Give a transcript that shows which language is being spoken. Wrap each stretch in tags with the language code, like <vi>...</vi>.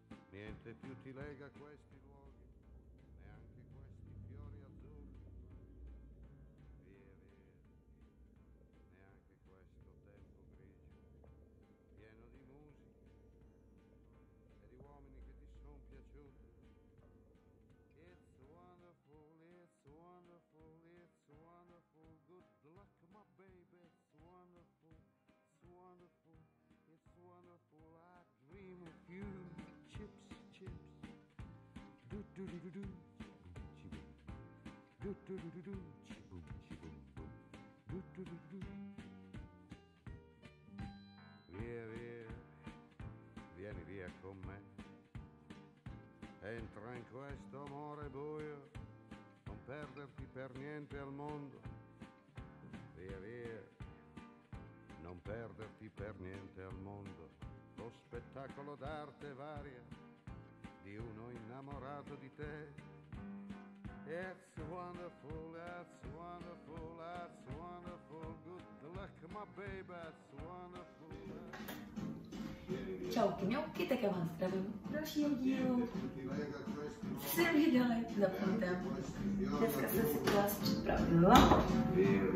<it>niente più ti lega a questi luoghi, neanche questi fiori azzurri. Via, via, neanche questo tempo grigio, pieno di musica e di uomini che ti sono piaciuti.</it> <en>It's wonderful, it's wonderful, it's wonderful. Good luck, my baby, it's wonderful. It's wonderful, it's wonderful. I dream of you, chips, chips. Do do do do do, chibum chibum. Do do do do do, chibum chibum boom.</en> <it>Do do do do do. Via via, vieni via con me. Entra in questo amore buio, non perderti per niente al mondo. Via via. Non perderti per niente al mondo, lo spettacolo d'arte varia di uno innamorato di te.</it> <en>It's wonderful, that's wonderful, that's wonderful. Good luck, my baby, that's wonderful.</en>